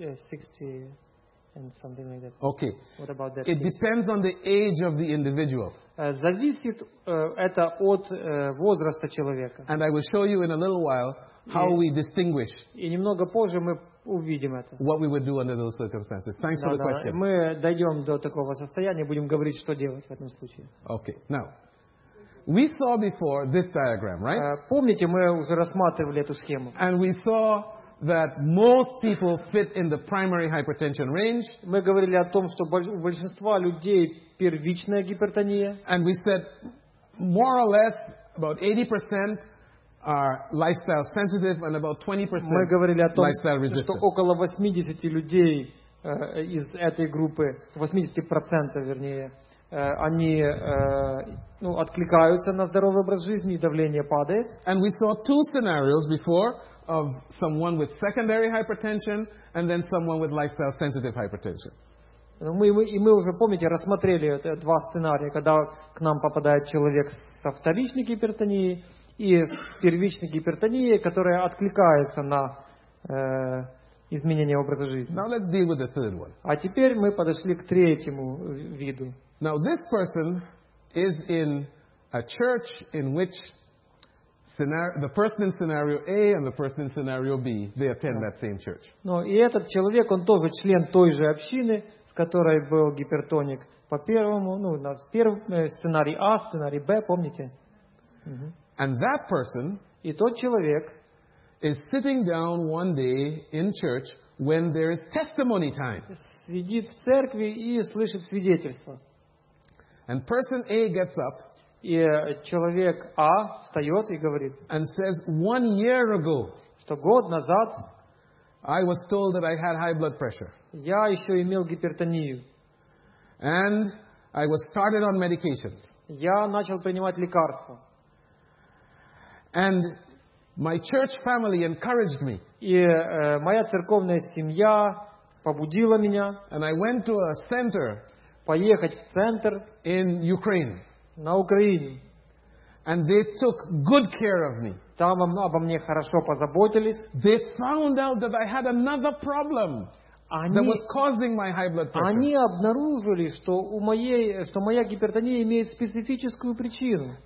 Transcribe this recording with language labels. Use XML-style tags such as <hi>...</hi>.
<en>60 and something like that. Okay. What about that? It depends on the age of the individual.</en> <ru>Зависит это от возраста человека.</ru> <en>And I will show you in a little while how we distinguish.</en> <ru>И немного позже мы увидим это.</ru> <en>What we would do under those circumstances. Thanks for the question.</en> <ru>Мы дойдем до такого состояния, будем говорить, что делать в этом случае.</ru> <en>Okay. Now, we saw before this diagram, right?</en> <ru>Помните, мы уже рассматривали эту схему.</ru> <en>And we saw that most people fit in the primary hypertension range.</en> <ru>Мы говорили о том, что у большинства людей первичная гипертония.</ru> <en>And we said more or less about 80% are lifestyle sensitive and about 20%</en> <ru>мы говорили о том,</ru> <en>lifestyle resistant.</en> <ru>Что около 80 людей из этой группы, 80% вернее, они ну, откликаются на здоровый образ жизни, и давление падает.</ru> <en>And we saw two scenarios before of someone with secondary hypertension and then someone with lifestyle sensitive hypertension.</en> <ru>Мы уже, помните, рассмотрели два сценария, когда к нам попадает человек со вторичной гипертонией и с первичной гипертонией, которая откликается на изменение образа жизни.</ru> <en>Now let's deal with the third one.</en> <ru>А теперь мы подошли к третьему виду.</ru> <en>Now this person is in a church in which the person in scenario A and the person in scenario B, they attend that same church.</en> <ru>Но и этот человек, он тоже член той же общины, в которой был гипертоник по первому, ну, на первый сценарий А, сценарий Б, помните?</ru> <en>And that person,</en> <ru>и тот человек,</ru> <en>is sitting down one day in church when there is testimony time.</en> <ru>Сидит в церкви и слышит свидетельство.</ru> <en>And person A gets up,</en> <ru>и человек А встает и говорит,</ru> <en>and says, 1 year ago,</en> <ru>что год назад,</ru> <en>I was told that I had high blood pressure.</en> <ru>Я еще имел гипертонию.</ru> <en>And I was started on medications.</en> <ru>Я начал принимать лекарства.</ru> <en>And my church family encouraged me.</en> <ru>И моя церковная семья побудила меня.</ru> <en>And I went to a center,</en> <ru>поехать в центр</ru> <en>in Ukraine,</en> <ru>на Украине,</ru> <en>And they took good care of me.</en> <ru>Там обо мне хорошо позаботились.</ru> <en>They found out that I had another problem. That was causing my high blood pressure.</en> <ru>Они обнаружили, что моя гипертония имеет специфическую причину.</ru>